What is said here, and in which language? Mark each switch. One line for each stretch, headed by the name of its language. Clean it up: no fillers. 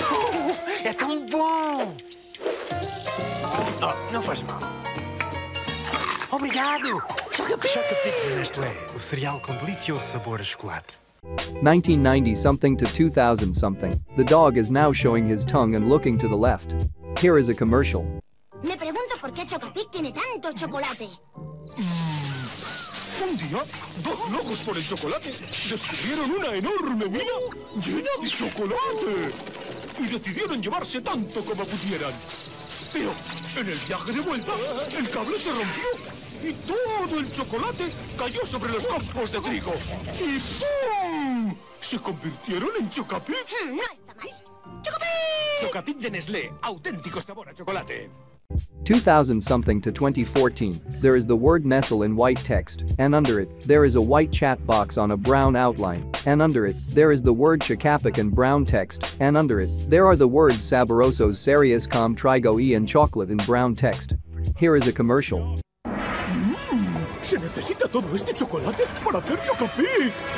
Portuguese: Oh, é tão bom! Oh, não faz mal. Obrigado! Chocapic! Chocapic da Nestlé. O cereal com delicioso sabor a chocolate.
English: 1990-something to 2000-something. The dog is now showing his tongue and looking to the left. Here is a commercial.
Spanish: Me pregunto por qué Chocapic tiene tanto chocolate. Un día, dos locos por el chocolate descubrieron una enorme mina llena de chocolate y decidieron llevarse tanto como pudieran. Pero en el viaje de vuelta, el cable se rompió y todo el chocolate cayó sobre los campos de trigo. ¡Y ¡pum! Se convirtieron en Chocapic. No está mal. ¡Chocapic! Chocapic de Nestlé, auténtico sabor a chocolate.
English: 2000-something to 2014, there is the word Nestle in white text, and under it, there is a white chat box on a brown outline, and under it, there is the word Chicapic in brown text, and under it, there are the words
Portuguese: Saborosos Cereus com Trigo e
English: and Chocolate in brown text. Here is a commercial.
Spanish: Se necesita todo este chocolate para hacer Chocapic!